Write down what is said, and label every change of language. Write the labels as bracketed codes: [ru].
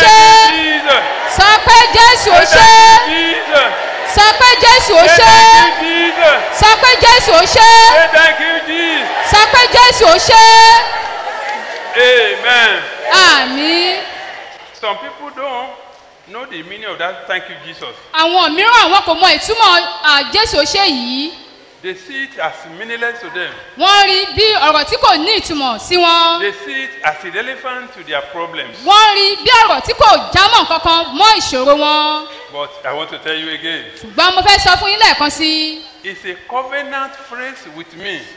[en] Say thank you, Jesus. [yo] Sọ pé Jésù ó ṣe. [en] Say thank you, Jesus. [yo] Sọ pé Jésù ó ṣe. [en] Say thank you, Jesus. [yo] Sọ pé Jésù ó ṣe. Sọ pé Jésù ó ṣe. [en] Amen. [yo] Àmì. [en] Some people don't know the meaning of that thank you, Jesus. [yo] Àwọn mìíràn àwọn kò mọ ìtumọ̀ Jésù ó ṣe yìí. [en] They see it as meaningless to them. [yo] Wọ́n rí bí ọ̀rọ̀ tí kò ní ìtumọ̀ sí wọn. [en] They see it as irrelevant to their problems. [yo] Wọ́n rí bí ọ̀rọ̀ tí kò jámọ̀ kankan mọ ìṣòro wọn. [en] But I want to tell you again. [yo] Ṣùgbọ́n mo fẹ́ sọ fún yín lẹ́ẹ̀kan sí. [en] It's a covenant phrase with me.